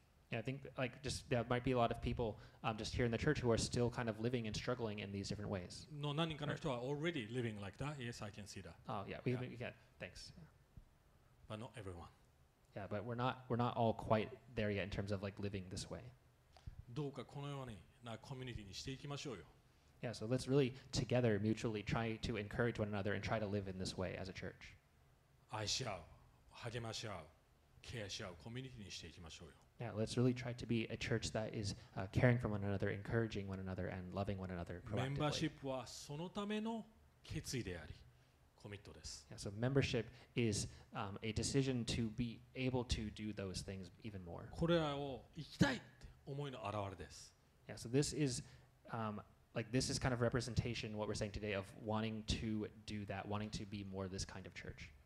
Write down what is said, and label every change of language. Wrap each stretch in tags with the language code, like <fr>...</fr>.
<en>Yeah, I think like just there might be a lot of people just here in the church who are still kind of living and struggling in these different ways. No,</en> <ja>何人かの人は</ja> <en>already living like that. Yes, I can see that. Oh, yeah, we can. Thanks. But not everyone. Yeah, but we're not all quite there yet in terms of like living this way.</en> <ja>どうかこのようになコミュニティにしていきましょうよ。</ja> <en>Yeah, so let's really together mutually try to encourage one another and try to live in this way as a church.</en> <ja>愛し合う、励まし合う、ケアし合うコミュニティにしていきましょうよ。</ja> <en>Yeah, let's really try to be a church that is caring for one another, encouraging one another, and loving one another proactively.</en> <ja>メンバーシップはそのための決意であり、コミットです。</ja> <en>Yeah, so membership is a decision to be able to do those things even more.</en> <ja>これらを行きたいって思いの表れです。</ja> <en>Yeah, so this is like this is kind of representation what we're saying today of wanting to do that, wanting to be more this kind of church.</en>